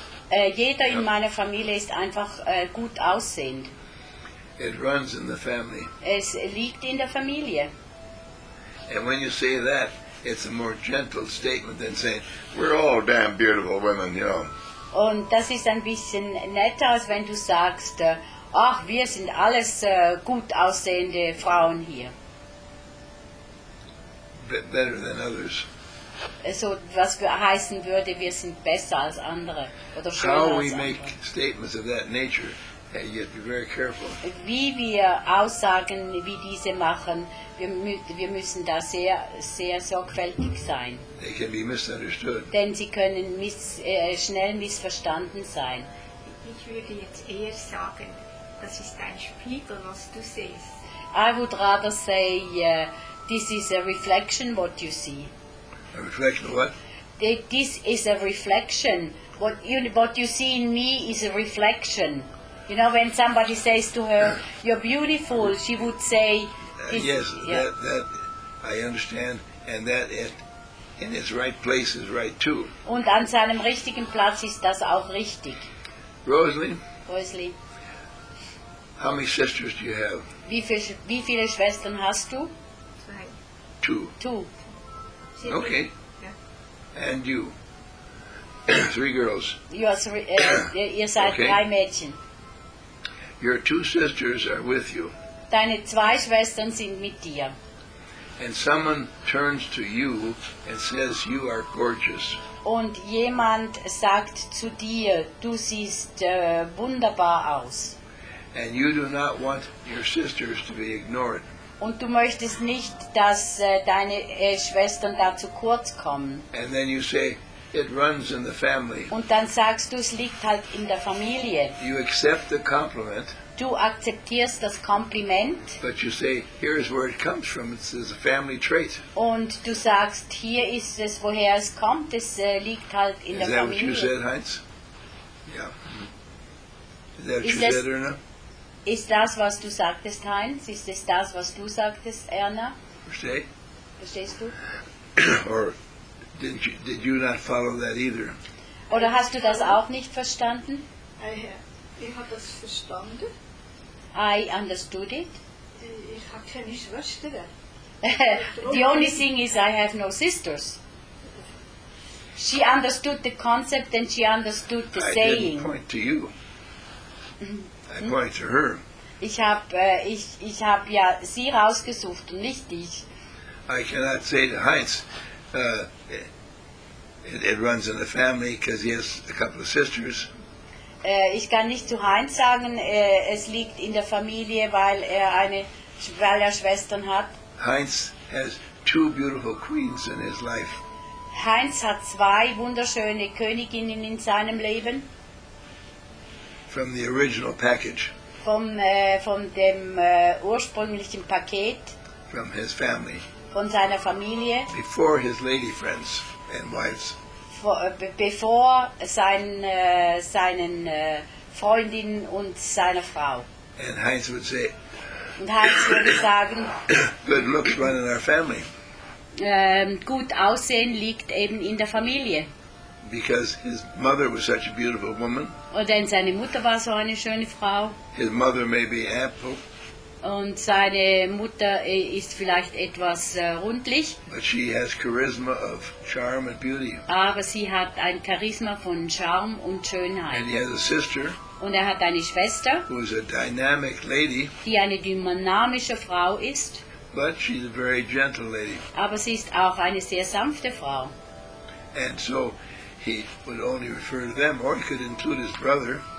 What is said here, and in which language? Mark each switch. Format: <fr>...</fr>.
<de>Jeder in meiner Familie ist einfach gut aussehend.</de> <en>It runs in the family.</en> <de>Es liegt in der Familie.</de> <en>And when you say that, it's a more gentle statement than saying, we're all damn beautiful women, you know.</en> <de>Und das ist ein bisschen netter, als wenn du sagst, ach, wir sind alles gut aussehende Frauen hier.</de> <en>Better than others.</en> <de>So, was heißen würde, wir sind besser als andere oder schöner als andere.</de> <en>How we make statements of that nature, you have to be very careful.</en> <de>Wie wir Aussagen wie diese machen, wir müssen da sehr, sehr sorgfältig sein.</de> <en>They can be misunderstood.</en> <de>Denn sie können schnell missverstanden sein. Ich würde jetzt eher sagen, das ist ein Spiegel, was du siehst.</de> <en>I would rather say, this is a reflection what you see. A reflection of what? This is a reflection. What you see in me is a reflection. You know, when somebody says to her, you're beautiful, she would say, That I understand, and that it, in its right place is right too.</en> <de>Und an seinem richtigen Platz ist das auch richtig.</de> <en>Rosalie. How many sisters do you have?</en> <de>Wie viele Schwestern hast du?</de> <en>Two. Okay. Yeah. And you. Three girls. You are three.</en> <de>Ihr seid drei Mädchen.</de> <en>Your two sisters are with you.</en> <de>Deine zwei Schwestern sind mit dir.</de> <en>And someone turns to you and says, you are gorgeous.</en> <de>Und jemand sagt zu dir, du siehst wunderbar aus.</de> <en>And you do not want your sisters to be ignored.</en> <de>Und du möchtest nicht, dass deine Schwestern da zu kurz kommen.</de> <en>And then you say, it runs in the family.</en> <de>Und dann sagst du, es liegt halt in der Familie.</de> <en>You accept the compliment.</en> <de>Du akzeptierst das Kompliment.</de> <en>But you say, here is where it comes from. It's a family trait.</en> <de>Und du sagst, hier ist es, woher es kommt. Es liegt halt in</de> <en>is</en> <de>der</de> <en>that</en> <de>Familie.</de> <en>What you said, Heinz? Yeah. Is that what you said, Erna?</en> <de>Ist das, was du sagtest, Heinz? Ist es das, was du sagtest, Erna? Verstehst du?</de> <en>Or did you not follow that either?</en> <de>Oder hast du das auch nicht verstanden? Ich habe das verstanden.</de> <en>I understood it.</en> <de>Ich habe keine Schwestern.</de> <en>The only thing is I have no sisters. She understood the concept and she understood the saying. I didn't point to you. I point to her.</en> <de>Ich hab ja sie rausgesucht und nicht dich.</de> <en>I cannot say to Heinz, it runs in the family because he has a couple of sisters.</en> <de>Ich kann nicht zu Heinz sagen, es liegt in der Familie, weil er eine, weil er Schwestern hat.</de> <en>Heinz has two beautiful queens in his life.</en> <de>Heinz hat zwei wunderschöne Königinnen in seinem Leben.</de> <en>From the original package.</en> <de>Von dem ursprünglichen Paket.</de> <en>From his family.</en> <de>Von seiner Familie.</de> <en>Before his lady friends and wives.</en> <de>Bevor seinen Freundin und seiner Frau.</de> <en>And Heinz would say,</en> <de>und Heinz würde sagen,</de> <en>good looks run in our family.</en> <de>Gut aussehen liegt eben in der Familie.</de> <en>Because his mother was such a beautiful woman.</en> <de>Und denn seine Mutter war so eine schöne Frau.</de> <en>His mother may be ample.</en> <de>Und seine Mutter ist vielleicht etwas rundlich.</de> <en>But she has charisma of charm and beauty.</en> <de>Aber sie hat ein Charisma von Charme und Schönheit.</de> <en>And he has a sister.</en> <de>Und er hat eine Schwester.</de> <en>Who is a dynamic lady.</en> <de>Die eine dynamische Frau ist.</de> <en>But she's a very gentle lady.</en> <de>Aber sie ist auch eine sehr sanfte Frau.</de> <en>And so he would only refer to them, or he could include his brother.</en>